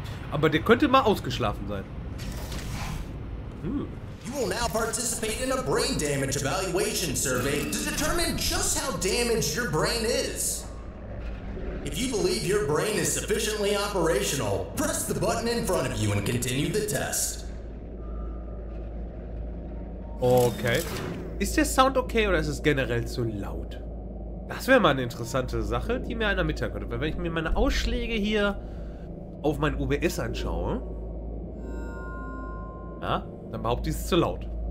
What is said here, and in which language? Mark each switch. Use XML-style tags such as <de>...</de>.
<de>Aber der könnte mal ausgeschlafen sein.</de> <en>You will now participate in a brain damage evaluation survey to determine just how damaged your brain is. If you believe your brain is sufficiently operational, press the button in front of you and continue the test. Okay.</en> <de>Ist der Sound okay oder ist es generell zu laut? Das wäre mal eine interessante Sache, die mir einer mitteilen könnte. Weil wenn ich mir meine Ausschläge hier auf mein OBS anschaue, ja, dann behaupte ich, es ist zu laut.</de>